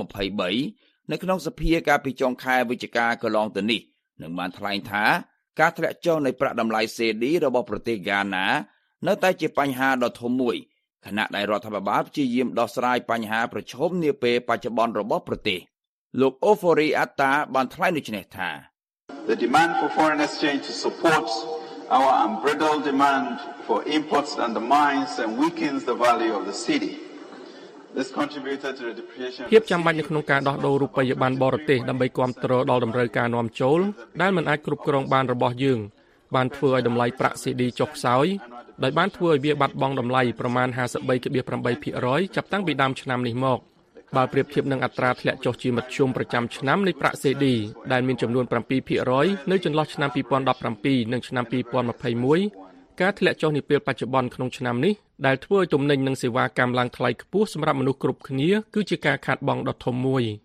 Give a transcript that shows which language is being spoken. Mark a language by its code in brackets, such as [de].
[km] 2023នៅក្នុងសភាកាលពីចុងខែវិច្ឆិកាកន្លងទៅនេះនឹងបានថ្លែងថាការធ្លាក់ចុះនៃប្រាក់តម្លៃសេឌីរបស់ប្រទេសកាណានៅតែជាបញ្ហាដ៏ធំមួយខណៈដែលរដ្ឋាភិបាលព្យាយាមដោះស្រាយបញ្ហាប្រឈមនាពេលបច្ចុប្បន្នរបស់ប្រទេសលោកអូហ្វូរីអាតាបានថ្លែងដូចនេះថា [en] The demand for foreign exchange to support our unbridled demand for imports undermines and weakens the value of the cedi. This contributed to the depreciation [km] ភាពចាំបាច់នៅក្នុងការដោះដូររូបិយប័ណ្ណបរទេសដើម្បីគ្រប់គ្រងដល់តម្រូវការនាំចូលដែលមិនអាចគ្រប់គ្រងបានរបស់យើងបានធ្វើឲ្យតម្លៃប្រាក់ CD ចុះខ្សោយដោយបានធ្វើឲ្យវាបាត់បង់តម្លៃប្រមាណ 53.8% ចាប់តាំងពីដើមឆ្នាំនេះមកបើប្រៀបធៀបនឹងអត្រាធ្លាក់ចុះជាមធ្យមប្រចាំឆ្នាំនៃប្រាក់ CD ដែលមានចំនួន 7% នៅចន្លោះឆ្នាំ2017និងឆ្នាំ2021ការធ្លាក់ចុះនាពេលបច្ចុប្បន្នក្នុងឆ្នាំនេះដែលធ្វើឲ្យទំនិញនិងសេវាកម្មឡើងថ្លៃខ្ពស់សម្រាប់មនុស្សគ្រប់គ្នាគឺជាការខាតបង់ដ៏ធំមួយ